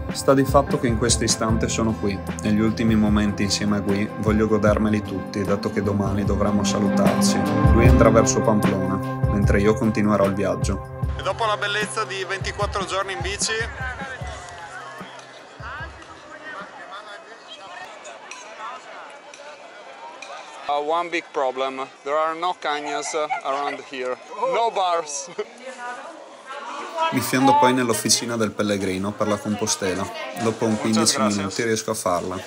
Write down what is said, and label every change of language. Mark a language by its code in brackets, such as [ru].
[it] Sta di fatto che in questo istante sono qui, negli ultimi momenti insieme a Gui, voglio godermeli tutti, dato che domani dovremo salutarci. Lui andrà verso Pamplona, mentre io continuerò il viaggio. E dopo la bellezza di 24 giorni in bici, [en] one big problem. There are no cañas around here. No bars. [it] Mi fiendo poi nell'officina del pellegrino per la Compostela. Dopo un 15 minuti riesco a farla.